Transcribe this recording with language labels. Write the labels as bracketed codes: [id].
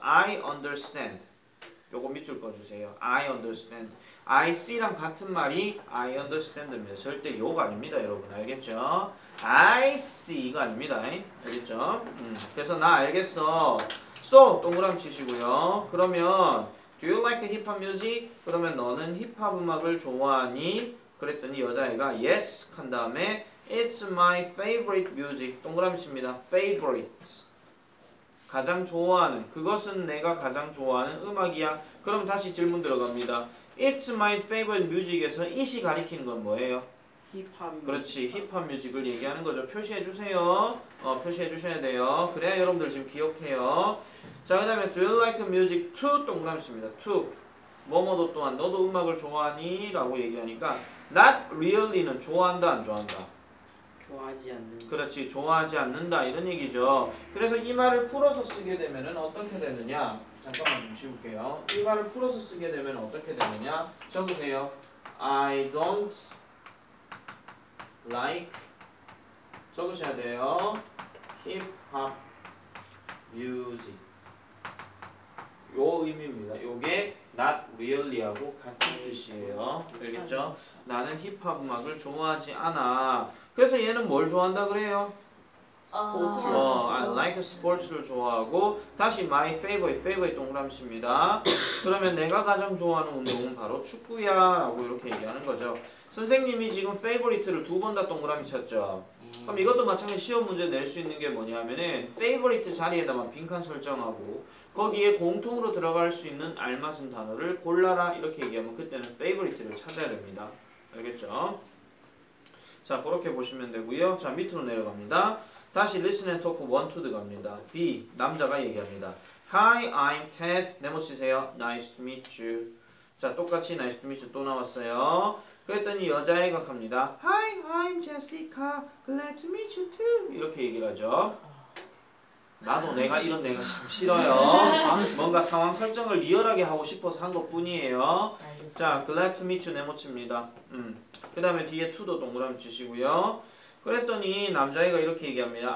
[en] I understand. [ko] 요거 밑줄 꺼주세요. [en] I understand. I see [ko] 랑 같은 말이 [en] I understand [ko] 입니다. 절대 요거 아닙니다, 여러분. 알겠죠? [en] I see [ko] 가 아닙니다. 알겠죠? 그래서 나 알겠어. [en] So, [ko] 동그라미치시고요. 그러면 [en] Do you like hip hop music? [ko] 그러면 너는 힙합 음악을 좋아하니? 그랬더니 여자애가 [en] yes [ko] 한 다음에 [en] It's my favorite music. [ko] 동그라미 칩니다. [en] Favorite. [ko] 가장 좋아하는. 그것은 내가 가장 좋아하는 음악이야. 그럼 다시 질문 들어갑니다. [en] It's my favorite music에서 it이 [ko] 가리키는 건 뭐예요? 힙합. 그렇지. 힙합 뮤직을 얘기하는 거죠. 표시해 주세요. 표시해 주셔야 돼요. 그래야 여러분들 지금 기억해요. 자, 그 다음에 [en] Do you like music too? [ko] 동그라미입니다. To. 뭐뭐도 또한 너도 음악을 좋아하니? 라고 얘기하니까 [en] Not really [ko] 는 좋아한다 안 좋아한다? 좋아하지 않는다. 그렇지. 좋아하지 않는다. 이런 얘기죠. 그래서 이 말을 풀어서 쓰게 되면은 어떻게 되느냐? 잠깐만 좀 쉬울게요. 이 말을 풀어서 쓰게 되면 어떻게 되느냐? 적으세요. [en] I don't like [ko] 적으셔야 돼요. [en] Hip-hop music [ko] 요 의미입니다. 요게 not really하고 같은 뜻이에요. 알겠죠? 나는 힙합 음악을 좋아하지 않아. 그래서 얘는 뭘 좋아한다 그래요? 스포츠. [en] I like sports를 [ko] 좋아하고 다시 [en] my favorite, favorite [ko] 동그라미입니다. 그러면 내가 가장 좋아하는 운동은 바로 축구야 라고 이렇게 얘기하는 거죠. 선생님이 지금 favorite를 두 번 다 동그라미 쳤죠? 그럼 이것도 마찬가지로 시험 문제 낼 수 있는 게 뭐냐면은 favorite 자리에다만 빈칸 설정하고 거기에 공통으로 들어갈 수 있는 알맞은 단어를 골라라 이렇게 얘기하면 그때는 favorite를 찾아야 됩니다. 알겠죠? 자, 그렇게 보시면 되고요. 자, 밑으로 내려갑니다. 다시 [en] listen and talk [ko] 1, 2 들어갑니다. B, 남자가 얘기합니다. [en] Hi, I'm Ted. [ko] 네모 치세요. [en] Nice to meet you. [ko] 자, 똑같이 [en] nice to meet you [ko] 또 나왔어요. 그랬더니 여자애가 갑니다. [en] Hi, I'm Jessica. Glad to meet you too. [ko] 이렇게 얘기를 하죠. 나도 내가 이런 내가 참 싫어요. 뭔가 상황 설정을 리얼하게 하고 싶어서 한 것 뿐이에요. 자, [en] glad to meet you [ko] 네모 칩니다. 그 다음에 뒤에 to도 동그라미 치시고요. 그랬더니 남자애가 이렇게 얘기합니다.